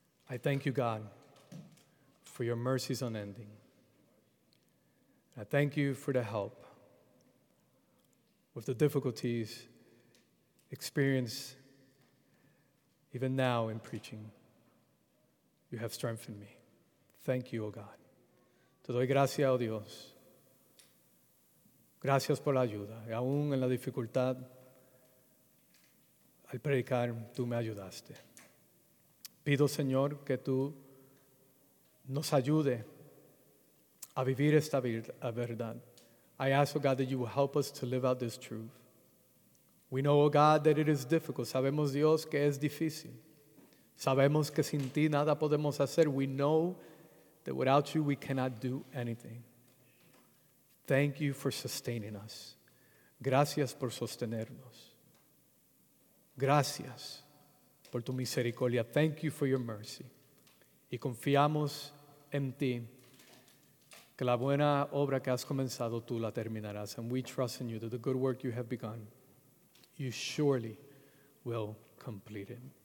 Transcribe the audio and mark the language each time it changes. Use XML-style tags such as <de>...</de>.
<en>I thank you, God, for your mercies unending. I thank you for the help with the difficulties experienced even now in preaching. You have strengthened me. Thank you, oh God.</en> <es>Te doy gracias, oh Dios. Gracias por la ayuda. Y aún en la dificultad, al predicar, tú me ayudaste. Pido, Señor, que tú nos ayude a vivir esta verdad.</es> <en>I ask, oh God, that you will help us to live out this truth. We know, oh God, that it is difficult.</en> <es>Sabemos, Dios, que es difícil. Sabemos que sin ti nada podemos hacer.</es> <en>We know that without you we cannot do anything. Thank you for sustaining us.</en> <es>Gracias por sostenernos. Gracias por tu misericordia.</es> <en>Thank you for your mercy.</en> <es>Y confiamos en ti que la buena obra que has comenzado tú la terminarás.</es> <en>And we trust in you that the good work you have begun, you surely will complete it.</en>